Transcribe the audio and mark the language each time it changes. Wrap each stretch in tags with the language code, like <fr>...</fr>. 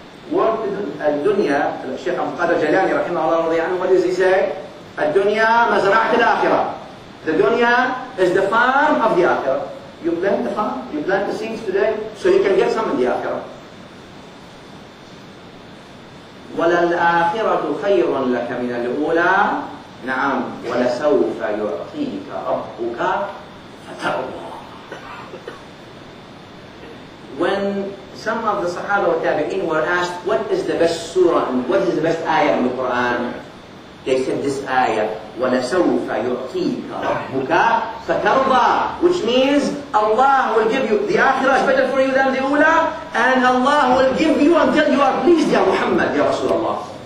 <ar>الدنيا الشيخ عبد القادر جيلاني رحمه الله رضي عنه,</ar> <en>what does he say?</en> <ar>الدنيا مزرعة الآخرة.</ar> <en>The dunya is the farm of the آخرة. You plant the farm, you plant the seeds today, so you can get some in the آخرة.</en> <ar>وللآخرة خير لك من الأولى. نعم ولسوف يعطيك ربك فترضى.</ar> <en>When some of the Sahaba or Tabi'een were asked, what is the best surah and what is the best ayah in the Quran? They said this ayah,</en> <ar>وَلَسَوْفَ يُعْطِيكَ رَبُّكَ فَتَرْضَى,</ar> <en>which means Allah will give you, the akhirah is better for you than the ula, and Allah will give you until you are pleased, Ya Muhammad, Ya Rasulullah.</en>